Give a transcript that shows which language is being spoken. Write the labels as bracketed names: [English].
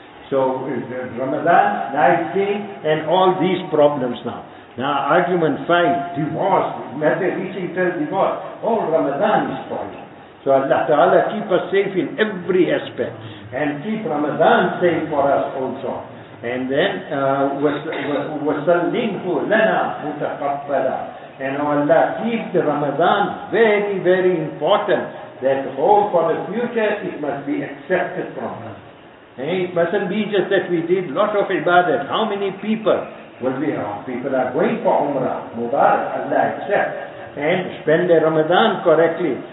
[English] So Ramadan, night came, and all these problems now. Now argument fight, divorce, matter reaching till divorce, all Ramadan is spoiled. So Allah Ta'ala keep us safe in every aspect, and keep Ramadan safe for us also. And then [Arabic] وَسَلِّمْهُ لَنَا مُتَقَبَّلًا. [English] And oh Allah, keep the Ramadan very, very important, that all for the future it must be accepted from us. And it mustn't be just that we did lot of ibadat. How many people will be wrong? People are going for Umrah, Mubarak, Allah accept, and spend the Ramadan correctly.